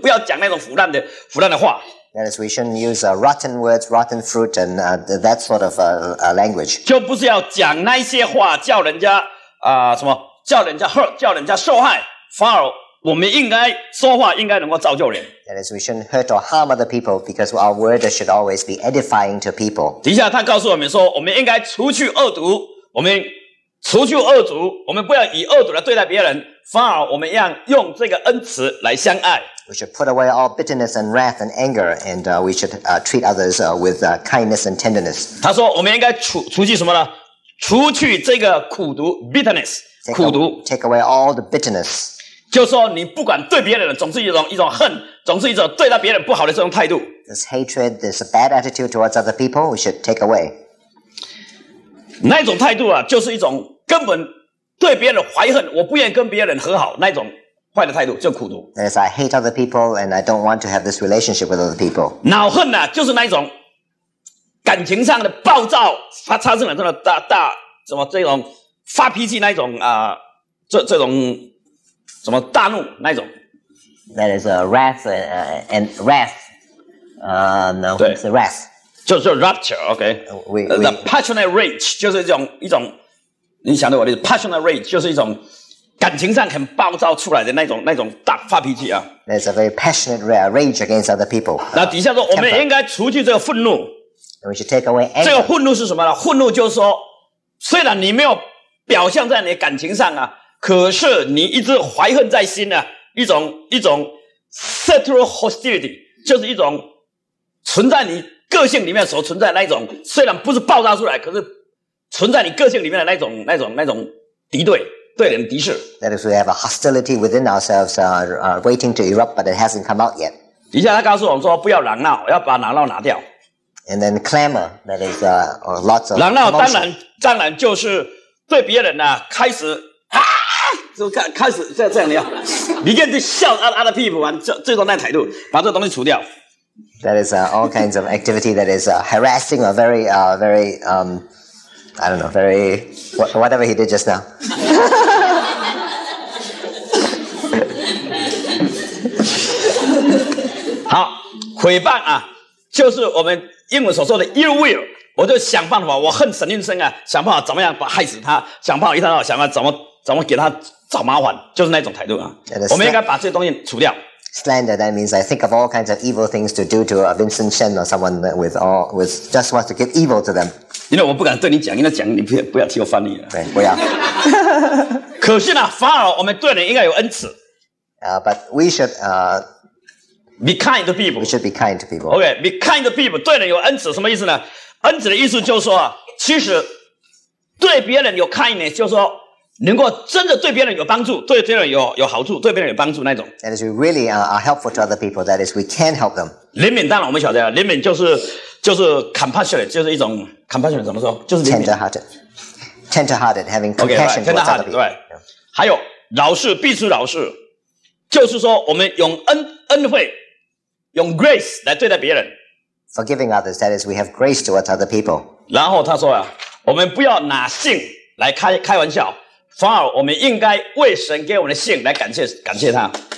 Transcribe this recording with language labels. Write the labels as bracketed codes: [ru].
[zh] 不要讲那种腐烂的话。 [en] That is, we shouldn't use rotten words, rotten fruit, and that sort of language. [zh] 就不是要讲那些话，叫人家。什么叫人家 hurt， 叫人家受害，反而我们应该说话应该能够造就人。 [en] That is, we shouldn't hurt or harm other people because our word should always be edifying to people. [zh] 底下他告诉我们说，我们应该除去恶毒，我们除去恶毒，我们不要以恶毒来对待别人，反而我们要用这个恩慈来相爱。 [en] We should put away all bitterness and wrath and anger, and we should treat others with kindness and tenderness. [zh] 他说我们应该除去什么呢？除去这个苦毒 bitterness， 苦毒 [en] take away all the bitterness， [zh] 就是说你不管对别人，总是一种恨，总是一种对待别人不好的这种态度。 [en] This hatred, this bad attitude towards other people, we should take away。 [zh] 那种态度啊，就是一种根本对别人怀恨，我不愿意跟别人和好，那种坏的态度就苦毒。 [en] As I hate other people and I don't want to have this relationship with other people。 [zh] 恼恨啊，就是那种。感情上的暴躁，发产生了这种大什么这种发脾气那种啊、这种什么大怒那种。 [en] That is a wrath and wrath. No, it's a wrath. 就 rupture, okay. The passionate rage [zh] 就是一种，你想到我的 [en] passionate rage [zh] 就是一种感情上很暴躁出来的那种大发脾气啊。 [en] There's a very passionate rage against other people. [zh] 那底下说我们应该除去这个愤怒。 [en] We should take away anger. [zh] 这个愤怒是什么呢？愤怒就是说，虽然你没有表现在你的感情上啊，可是你一直怀恨在心啊，一种 [en] settled hostility， [zh] 就是一种存在你个性里面所存在的那种，虽然不是爆炸出来，可是存在你个性里面的那种敌对。对人敌视。 [en] That is, we have a hostility within ourselves, waiting to erupt, but it hasn't come out yet. [zh] 底下他告诉我们说，不要嚷闹，要把嚷闹拿掉。 [en] And then clamor, that is, lots of. [zh] 嚷闹当然就是对别人呢、啊、开始啊，就开始这样的样，你跟着笑啊啊的屁股啊，最终那态度，把这东西除掉。 [en] That is all kinds of activity that is harassing or very very I don't know very whatever he did just now. [zh] 好，毁谤啊，就是我们。英文所说的 [en] ill will， [zh] 我就想办法，我恨沈运生啊，想办法怎么样把害死他，想办法一天到晚想办法怎么给他找麻烦，就是那种态度啊。我们应该把这些东西除掉。 [en] Slander, that means I think of all kinds of evil things to do to a Vincent Chen or someone that with just wants to get evil to them. [zh] 因为我不敢对你讲，因为讲你不要替我翻译了。对，不要。可是呢，反而我们对人应该有恩慈。 [en] But we should Be kind to people. We should be kind to people. Okay, be kind to people. [zh] 对人有恩慈，什么意思呢？恩慈的意思就是说，其实对别人有 kindness， 就是说能够真的对别人有帮助，对别人有好处，对别人有帮助那种。 [en] That is, we really are helpful to other people. That is, we can help them. [zh] 怜悯当然我们晓得啊，怜悯就是 compassionate， 就是一种 compassion 怎么说？就是怜悯。 [en] Tender-hearted, having compassion for other people. [zh] 对。还有饶恕，必须饶恕。就是说我们用恩惠用 grace 来对待别人。 Forgiving others, that is, we have grace towards other people. 然后他说啊，我们不要拿信来开玩笑，反而我们应该为神给我们的信来感谢他。